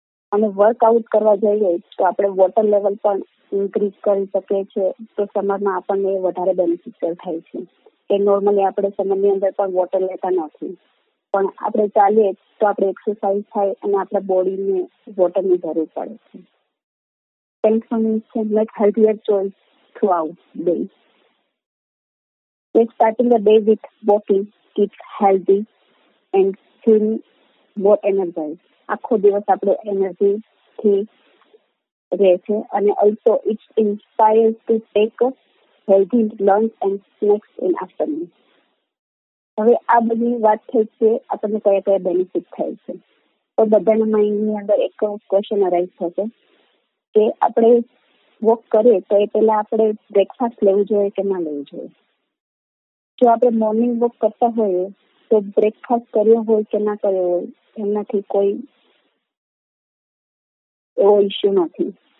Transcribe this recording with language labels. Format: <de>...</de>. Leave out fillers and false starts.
<gu>અને વર્કઆઉટ કરવા જઈએ તો આપણે વોટર લેવલ પણ ઇન્ક્રીઝ કરી શકીએ છીએ તો સમરમાં આપણને એ વધારે બેનિફિશિયલ થાય છે કે નોર્મલી આપણે સમરની અંદર પણ વોટર લેતા નથી પણ આપણે ચાલીએ તો આપણે એક્સરસાઇઝ થાય અને આપણા બોડીને વોટરની જરૂર પડે છે</gu> <en>thankfulness and make healthier choice throughout the day. Starting the day with walking keeps healthy and feeling more energized.</en> <gu>Akho divas apne energy thi rahe</gu> <en>and also it inspires to take healthy lunch and snacks in afternoon.</en> <gu>હવે આ બધી વાત થઈ છે આપણને કયા કયા benefit થાય છે તો બધાના માઇન્ડની અંદર એક ક્વેશ્ચન અરાઈઝ થશે કે આપણે વોક કરીએ તો એ પહેલા આપણે બ્રેકફાસ્ટ લેવું જોઈએ કે ના લેવું જોઈએ. જો આપણે મોર્નિંગ વોક કરતા હોઈએ તો બ્રેકફાસ્ટ કર્યો હોય કે ના કર્યો હોય એમનાથી કોઈ એવો ઇસ્યુ નથી.</gu>